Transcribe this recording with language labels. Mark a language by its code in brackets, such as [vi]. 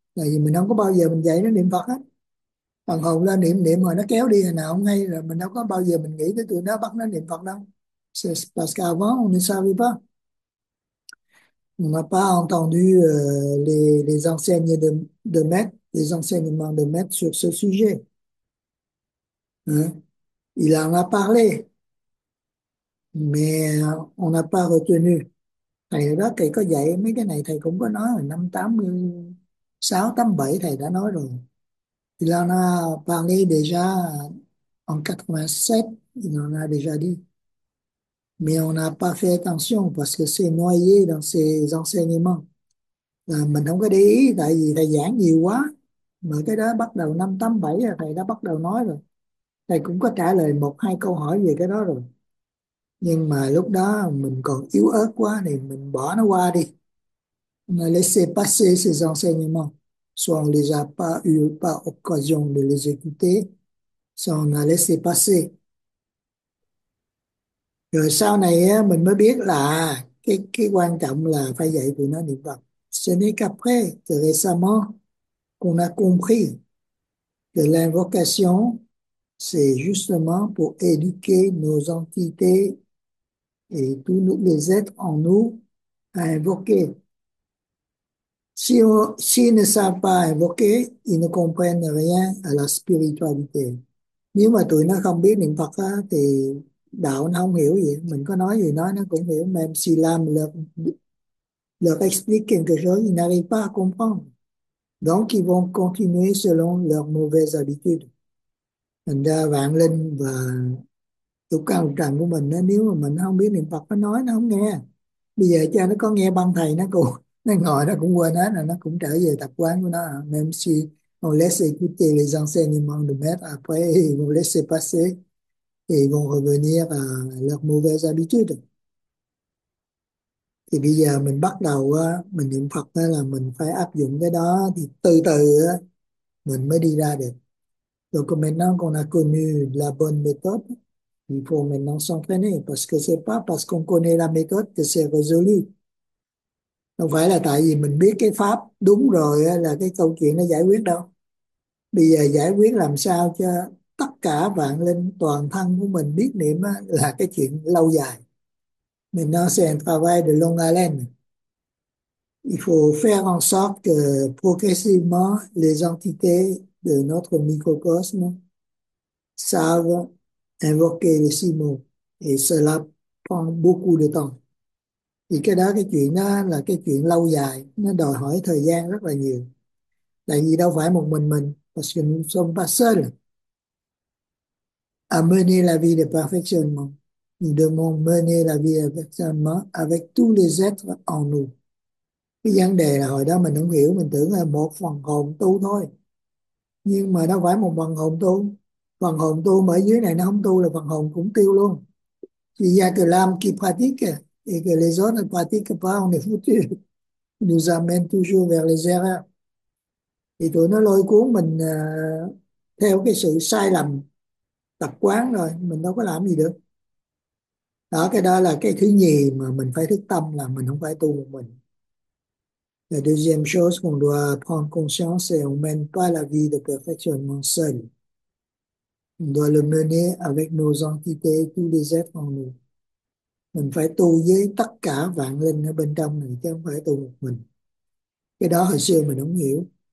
[vi] Tại vì mình không có bao giờ mình dạy nó niệm Phật hết. Phần hồn là niệm niệm rồi nó kéo đi hồi nào không hay rồi mình đâu có bao giờ mình nghĩ tới tụi nó bắt nó niệm Phật đâu. [fr] C'est parce qu'avant, on ne savait pas. On n'a pas entendu les enseignements de maître, les enseignements de maître sur ce sujet. Hein? Il en a parlé, mais on n'a pas retenu. [vi] Thầy đó thầy có dạy mấy cái này thầy cũng có nói rồi, năm 86, 87 thầy đã nói rồi. [fr] Il en a parlé déjà en 87, il en a déjà dit. Mais on n'a pas fait attention parce que c'est noyé dans ses enseignements. [vi] À, mình không có để ý tại vì thầy giảng nhiều quá. Mà cái đó bắt đầu năm 87 là thầy đã bắt đầu nói rồi. Thầy cũng có trả lời một hai câu hỏi về cái đó rồi. Nhưng mà lúc đó mình còn yếu ớt quá thì mình bỏ nó qua đi. [fr] On a laissé passer ses enseignements. Soit on les a pas eu pas occasion de les écouter. Soit on a laissé passer. [vi] Rồi sau này á, mình mới biết là cái quan trọng là phải dạy tụi nó niệm Phật. [fr] Ce n'est qu'après, récemment, qu'on a compris que l'invocation, c'est justement pour éduquer nos entités et tous les êtres en nous à invoquer. S'ils ne savent pas invoquer, ils ne comprennent rien à la spiritualité. [vi] Nếu mà tụi nó không biết niệm Phật á, thì đạo nó không hiểu gì, mình có nói gì nói nó cũng hiểu, [fr] même si l'âme leur explique quelque chose, ils n'arrivent pas à comprendre. Donc, ils vont continuer selon leurs mauvaises habitudes. [vi] Thành ra vạn linh và tục cao một trần của mình, nếu mà mình không biết niệm Phật, nó nói nó không nghe. Bây giờ cho nó có nghe băng thầy, nó ngồi nó cũng quên hết, rồi nó cũng trở về tập quán của nó. [fr] Même si on laisse écouter les enseignements de maître, après, ils vont laisser passer. Et ils vont revenir à leurs mauvaises habitudes. [vi] Thì bây giờ mình bắt đầu mình niệm Phật là mình phải áp dụng cái đó thì từ từ mình mới đi ra được. [fr] Donc maintenant qu'on a connu la bonne méthode, il faut maintenant s'entraîner parce que c'est pas parce qu'on connaît la méthode que c'est résolu. [vi] Không phải là tại vì mình biết cái pháp đúng rồi là cái câu chuyện nó giải quyết đâu. Bây giờ giải quyết làm sao cho tất cả vạn linh toàn thân của mình biết niệm á, là cái chuyện lâu dài. Mình nó sẽ [fr] travail de longue haleine. Il faut faire en sorte que progressivement les entités de notre microcosme savent invoquer les six mots. Et cela prend beaucoup de temps. [vi] Thì cái đó cái chuyện đó là cái chuyện lâu dài. Nó đòi hỏi thời gian rất là nhiều. Tại vì đâu phải một mình. [fr] Parce que nous sommes pas seuls. À mener la vie de perfectionnement. Nous devons mener la vie de perfectionnement avec tous les êtres en nous. [vi] Cái vấn đề là hồi đó mình không hiểu, mình tưởng là một phần hồn tu thôi. Nhưng mà đâu phải một phần hồn tu. Phần hồn tu mà ở dưới này nó không tu là phần hồn cũng tiêu luôn. Vì gia cứ làm kỳ [fr] pratique, [vi] thì cái lý do là [fr] pratique pas, on est foutu. Nous amène toujours vers les erreurs. [vi] thì tụi nó lôi cuốn mình theo cái sự sai lầm tập quán rồi mình đâu có làm gì được đó. Cái đó là cái thứ nhì mà mình phải thức tâm, là mình không phải tu một mình. La deuxième chose qu'on doit prendre conscience, c'est qu'on ne mène pas la vie de perfectionnement seul. On doit le mener avec nos entités, tous les êtres en nous. Mình phải tu với tất cả vạn linh ở bên trong này, chứ không phải tu một mình. Cái đó hồi xưa mình không hiểu.